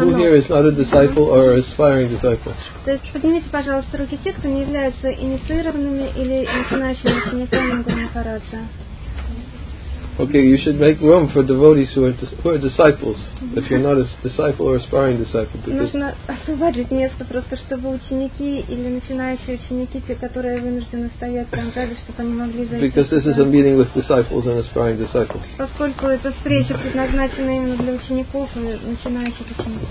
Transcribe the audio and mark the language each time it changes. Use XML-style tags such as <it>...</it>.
<en>who here is not a disciple or an aspiring disciple?</en> <ru>То есть поднимите, пожалуйста, руки те, кто не является инициированными или начинающими учениками Махараджа.</ru> <en>Okay, you should make room for devotees who are disciples. If you're not a disciple or aspiring disciple,</en> <ru>нужно освободить место просто, чтобы ученики или начинающие ученики, те, которые вынуждены стоять там, ждали, чтобы они могли зайти.</ru> <en>Because this is a meeting with disciples and aspiring disciples.</en> <ru>Поскольку эта встреча предназначена именно для учеников и начинающих учеников.</ru>